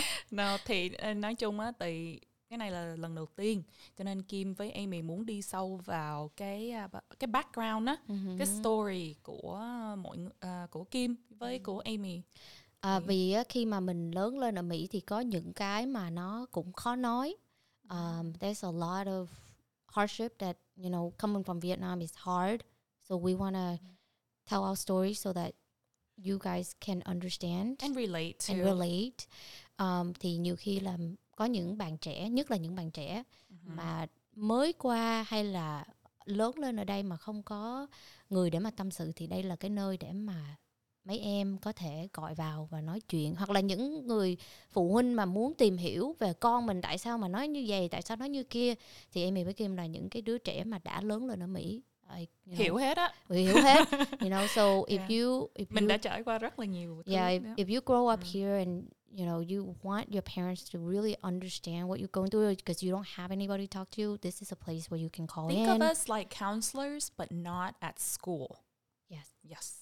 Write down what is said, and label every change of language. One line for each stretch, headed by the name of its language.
Vietnamese: Nào thì nói chung á, thì cái này là lần đầu tiên, cho nên Kim với Amy muốn đi sâu vào cái background á, cái story của của Kim với của Amy. Vì khi mà mình lớn lên ở Mỹ thì có những cái mà nó cũng khó nói.
English: There's a lot of hardship that, you know, coming from Vietnam is hard. So we want to tell our story so that you guys can understand. And relate too. And relate.
Vietnamese: Thì nhiều khi là có những bạn trẻ, nhất là những bạn trẻ mà mới qua hay là lớn lên ở đây mà không có người để mà tâm sự, thì đây là cái nơi để mà mấy em có thể gọi vào và nói chuyện. Hoặc là những người phụ huynh mà muốn tìm hiểu về con mình, tại sao mà nói như vậy, tại sao nói như kia, thì Amy với Kim là những cái đứa trẻ mà đã lớn lên ở Mỹ. Hiểu hết á. Hiểu hết.
English: You know, so if you... If
Vietnamese: mình
English: you,
Vietnamese: đã trải qua rất là nhiều.
English: Yeah, if you grow up here and, you know, you want your parents to really understand what you're going through because you don't have anybody to talk to, this is a place where you can call Think in. Think of us like counselors, but not at school. Yes. Yes.